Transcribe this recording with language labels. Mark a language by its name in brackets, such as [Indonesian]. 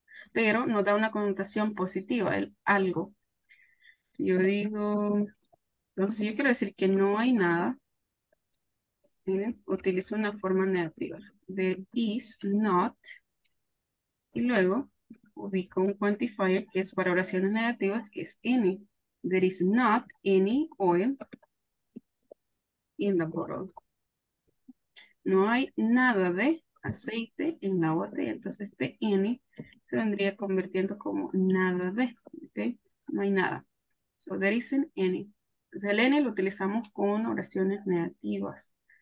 [Spanish] Pero nos da una connotación positiva, el algo. Si yo digo, entonces yo quiero decir que no hay nada. Miren, utilizo una forma negativa. [English] There is not. [Spanish] Y luego ubico un quantifier que es para oraciones negativas, que es any. [English] There is not any oil in the bottle. [Spanish] No hay nada de aceite en la botella. Entonces este any se vendría convirtiendo como nada de. ¿Okay? No hay nada. [English] So there isn't any. [Spanish] Entonces el any lo utilizamos con oraciones negativas.